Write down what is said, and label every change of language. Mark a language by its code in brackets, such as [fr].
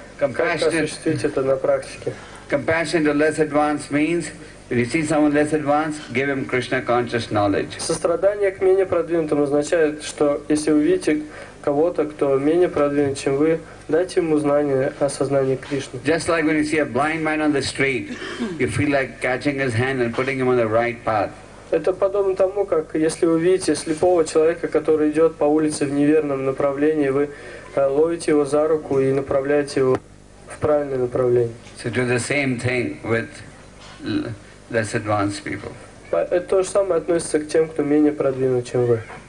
[ru] Как осуществить это на практике? [en] Compassion to less advanced means if you see someone less advanced, give him Krishna conscious knowledge. [ru] Сострадание к менее продвинутым означает, что если вы видите кого-то, кто менее продвинут, чем вы, дайте ему знание о сознании Кришны. [en] Just like when you see a blind man on the street, you feel like catching his hand and putting him on the right path. [ru] Это подобно тому, как если вы видите слепого человека, который идет по улице в неверном направлении, вы ловите его за руку и направляете его в правильное направление. [en] So do the same thing with less advanced people. [ru] Это то же самое относится к тем, кто менее продвинут, чем вы.